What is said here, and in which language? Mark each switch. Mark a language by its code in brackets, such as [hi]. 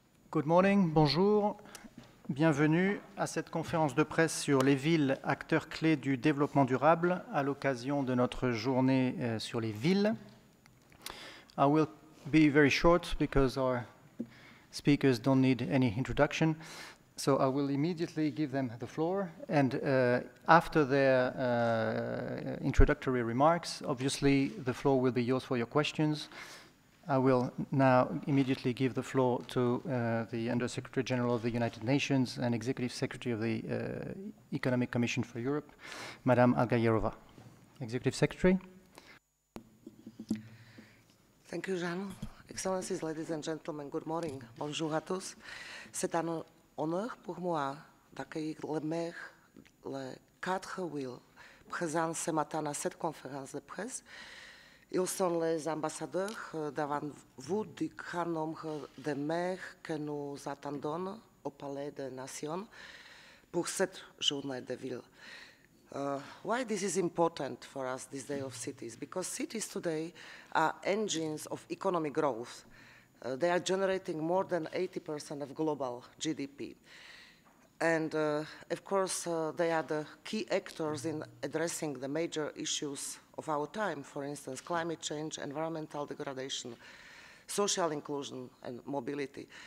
[en] Good morning, [fr] bonjour, bienvenue à cette conférence de presse sur les villes, acteurs clés du développement durable, à l'occasion de notre journée sur les villes. [en] I will be very short because our speakers don't need any introduction. So I will immediately give them the floor, and after their introductory remarks, obviously the floor will be yours for your questions. I will now immediately give the floor to the Undersecretary General of the United Nations and Executive Secretary of the Economic Commission for Europe, Madame Algayerova. Executive Secretary. Thank you, Jean. Excellencies, ladies and gentlemen, good morning. [fr] Bonjour à tous. C'est un honneur pour moi d'accueillir les maires, les quatre villes présentes ce matin à cette conférence de presse. Ils sont les ambassadeurs devant vous du grand nombre de maires que nous attendons au Palais des Nations pour cette journée de ville. [en] Why this is important for us, this day of cities? Because cities today are engines of economic growth. They are generating more than 80% of global GDP. And of course, they are the key actors in addressing the major issues of our time, for instance, climate change, environmental degradation, social inclusion, and mobility.